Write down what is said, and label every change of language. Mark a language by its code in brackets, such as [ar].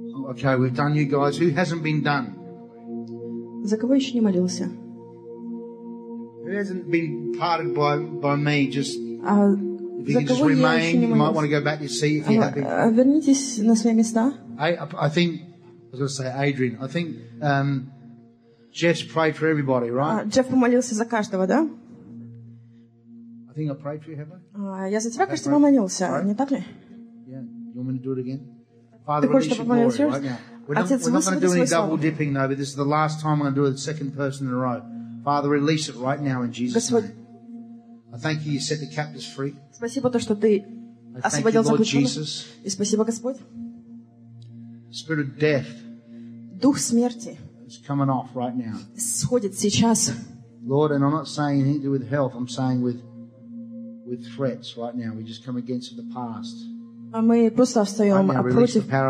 [en] Okay, we've done you guys. Who hasn't been done? [ru] За кого еще не молился? [en] Who hasn't been parted by me? Just if you can just remain, you might want to go back to your seat if you have been. [ru] Вернитесь на свои места. [en] I think Adrian. I think Jeff prayed for everybody, right? [ru] Jeff помолился за каждого, да? [en] I think I prayed for you, have I? [ru] Я за тебя, кажется, молился, не так ли? [en] Yeah. You want me to do it again? Father, release your glory right now. We're not going to do any double dipping, though, but this is the last time I'm going to do it the second person in a row. Father, release it right now in Jesus' name. I thank you set the captives free. I thank you, Lord Jesus. [ru] И спасибо, Господь. [en] Spirit of death. [ru] Дух смерти. [en] It's coming off right now. [ru] Сходит сейчас. [en] Lord, and I'm not saying anything to do with health. I'm saying with threats right now. We just come against the past. [ru] А мы просто встаем против